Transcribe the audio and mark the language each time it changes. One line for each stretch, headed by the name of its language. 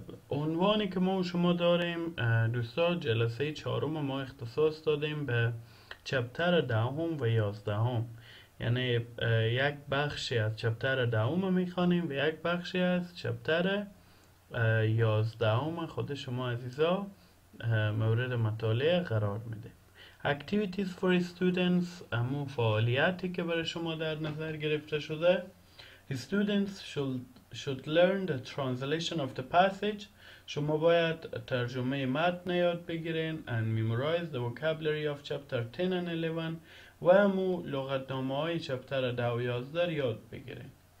Persian: عنوانی که ما و شما داریم دوستان، جلسه چهارم ما اختصاص دادیم به چپتر دهم و یازدهم، یعنی یک بخشی از چپتر دهم میخوانیم و یک بخشی از چپتر یازدهم خود شما عزیزا مورد مطالعه قرار میده.
English: Activities for students،
Persian: امو فعالیتی که برای شما در نظر گرفته شده.
English: Students should learn the translation of the passage.
Persian: شما باید ترجمه متن یاد بگیرین
English: and memorize the vocabulary of chapter 10 and 11
Persian: و امو لغتنامه های چپتر 10 و 11 یاد بگیرین.